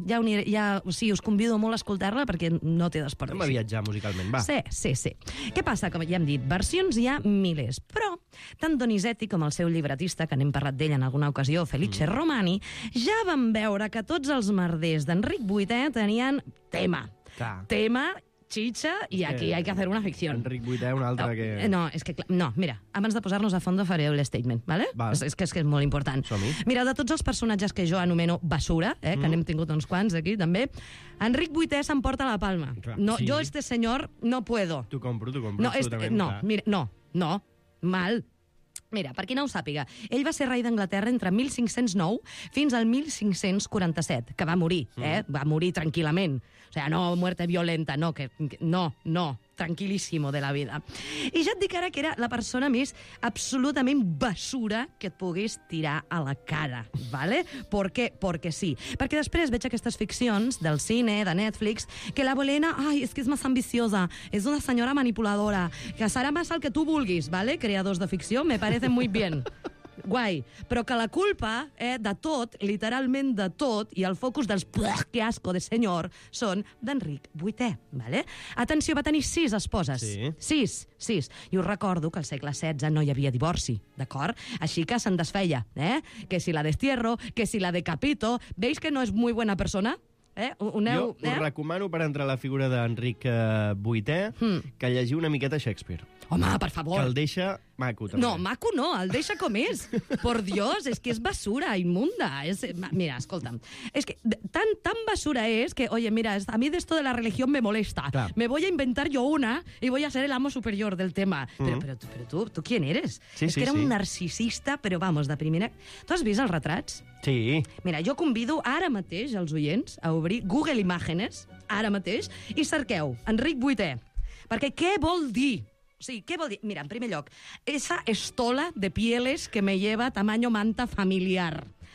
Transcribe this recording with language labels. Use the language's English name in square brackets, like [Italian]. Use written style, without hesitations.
[Catalan] Us convido molt a escoltar-la perquè no té desperdici. Hem de viatjar musicalment, va. Sí. Què passa? Com ja hem dit, versions hi ha milers, però tant Donizetti com el seu llibretista, que n'hem parlat d'ell en alguna ocasió, Felice Romani, ja vam veure que tots els merders d'Enric VIII tenien tema. Clar. [Spanish] Tema, chicha, i aquí hay que hacer una ficción. [Catalan] Enric VIII, un altre que... No, és que, clar, no, mira, abans de posar-nos a fondo faré el statement, ¿vale? És que és molt important. Mira, de tots els personatges que jo anomeno basura, que n'hem tingut uns quants aquí també, Enric VIII s'emporta la palma. Clar, no, sí. [Spanish] Jo, este señor, no puedo. [Catalan] T'ho compro. No, mira, mal. Mira, per qui no ho sàpiga, ell va ser rei d'Anglaterra entre 1509 fins al 1547, que va morir, Va morir tranquil·lament. [Spanish] O sea, no muerte violenta, no, que no, tranquilíssimo de la vida. [Catalan] I ja et dic ara que era la persona més absolutament basura que et pogués tirar a la cara, ¿vale? [Spanish] ¿Por qué? Porque sí. [Catalan] Perquè després veig aquestes ficcions del cine, de Netflix, que la Bolena, ai, és que és més ambiciosa, és una senyora manipuladora, que serà més el que tu vulguis, ¿vale? Creadors de ficció, [Spanish] me parece muy bien. [Catalan] Guai, però que la culpa de tot, literalment de tot, i el focus dels puh, [Spanish] que asco de [Catalan] senyor, són d'Enric VIII, ¿vale? Atenció, va tenir 6 esposes. Sí. 6. I us recordo que al segle XVI no hi havia divorci, d'acord? Així que se'n desfeia, [Spanish] Que si la destierro, que si la decapito, veis que no és muy buena persona? [Catalan] Jo us recomano, per entrar a la figura d'Enric VIII, que llegiu una miqueta Shakespeare. Home, per favor. Que el deixa maco, també. No, maco no, el deixa com és. [Spanish] Por Dios, [Catalan] és que és basura, immunda. Mira, escolta'm. És que tan basura és que, oye, mira, a mi d'esto de la religió me molesta. Clar. [Spanish] Me voy a inventar yo una y voy a ser el amo superior del tema. Però tu quién eres? [Catalan] Sí, un narcisista, però vamos, de primera... Tu has vist els retrats? Sí. Mira, jo convido ara mateix els oients a obrir Google Imágenes, ara mateix, i cerqueu Enric VIII. Perquè què vol dir? Sí, què vol dir? [Spanish] Mira, [Catalan] en primer lloc, [Spanish] esa estola de pieles que me lleva tamaño manta familiar.